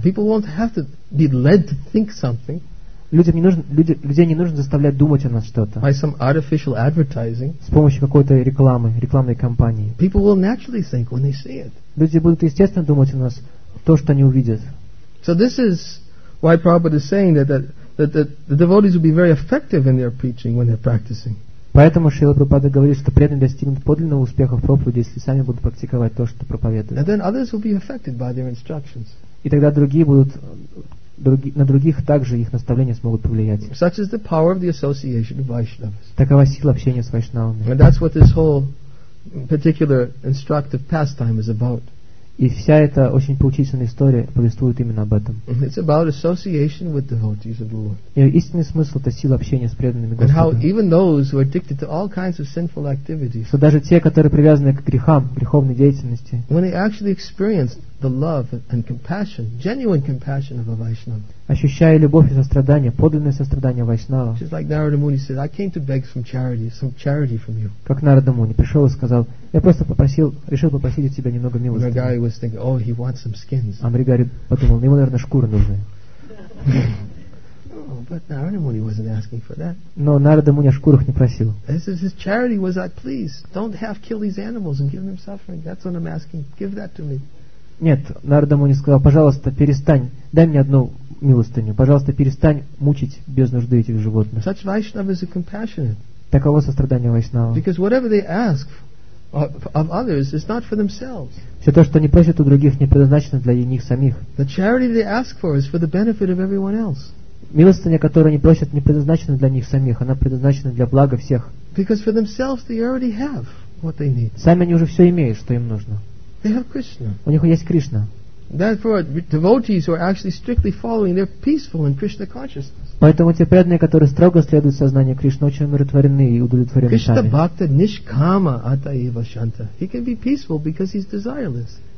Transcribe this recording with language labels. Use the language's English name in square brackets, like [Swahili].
[English] People won't have to be led to think something. [Russian] Людей не нужно заставлять думать о нас что-то. [English] By some artificial advertising. [Russian] С помощью какой-то рекламы, рекламной кампании. [English] People will naturally think when they see it. [Russian] Люди будут естественно думать о нас то, что они увидят. [English] So this is why Prabhupada is saying that the devotees will be very effective in their preaching when they're practicing. [Russian] Поэтому Шрила Прабхупада говорит, что преданные достигнут подлинного успеха в проповеди, если сами будут практиковать то, что проповедуют. [English] And then others will be affected by their instructions. [Russian] И тогда на других также их наставления смогут повлиять. [English] Such is the power of the association of Vaishnavas. [Russian] Такова сила общения с вайшнавами. [English] And that's what this whole particular instructive pastime is about. [Russian] И вся эта очень поучительная история повествует именно об этом. [English] It's about association with devotees of the Lord. [Russian] И истинный смысл — это сила общения с преданными Господа. [English] And how even those who are addicted to all kinds of sinful activities. [Russian] Что даже те, которые привязаны к грехам, греховной деятельности. [English] When they actually experience the love and compassion, genuine compassion of a Vaishnava. [Russian] Ощущая любовь и сострадание, подлинное сострадание вайшнава. [English] Just like Narada Muni said, I came to beg some charity from you. [Russian] Как Нарада Муни пришел и сказал, я просто решил попросить у тебя немного милости. [English] Amrigari was thinking, oh, he wants some skins. [Russian] Амригари подумал, ему наверное шкуры нужны. [English] But Narada Muni wasn't asking for that. [Russian] Но Нарада Муни о шкурах не просил. [English] This is his charity was like, please, don't have kill these animals and give them suffering. That's what I'm asking. Give that to me. [Russian] Нет, Нарада Муни сказал, пожалуйста, перестань, дай мне одну милостыню, пожалуйста, перестань мучить без нужды этих животных. [English] Such Vaishnavas are compassionate. [Russian] Таково сострадание вайшнава. [English] Because whatever they ask of others is not for themselves. [Russian] Все то, что они просят у других, не предназначено для них самих. [English] The charity they ask for is for the benefit of everyone else. [Russian] Милостыня, которую они просят, не предназначена для них самих, она предназначена для блага всех. [English] Because for themselves they already have what they need. [Russian] Сами они уже все имеют, что им нужно. [English] They have Krishna. [Russian] У них есть Кришна. [English] Therefore, devotees who are actually strictly following, they're peaceful in Krishna consciousness. [Russian] Поэтому те преданные, которые строго следуют сознанию Кришны, очень умиротворены и удовлетворены. [Sanskrit] Кришна бхакта нишкама атаева шанта. [English] He can be peaceful because he's desireless.